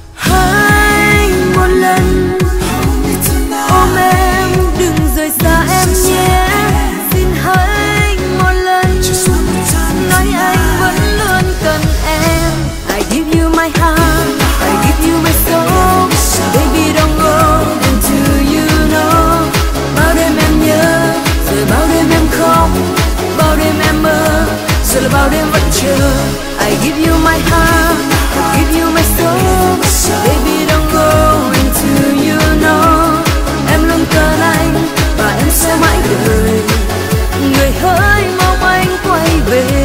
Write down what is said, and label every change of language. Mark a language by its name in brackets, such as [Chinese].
[Vietnamese] Anh một lần ôm em đừng rời xa em nhé, xin anh một lần nói anh vẫn luôn cần em. [English] I give you my heart, I give you my soul, baby don't go until you know. [Vietnamese] Bao đêm em nhớ, rồi bao đêm em khóc, bao đêm em mơ, rồi là bao đêm vẫn chờ. [English] I give you my heart, I give you my soul, baby don't go until you know. [Vietnamese] Em luôn cần anh và em sẽ mãi đợi. Người hỡi mong anh quay về.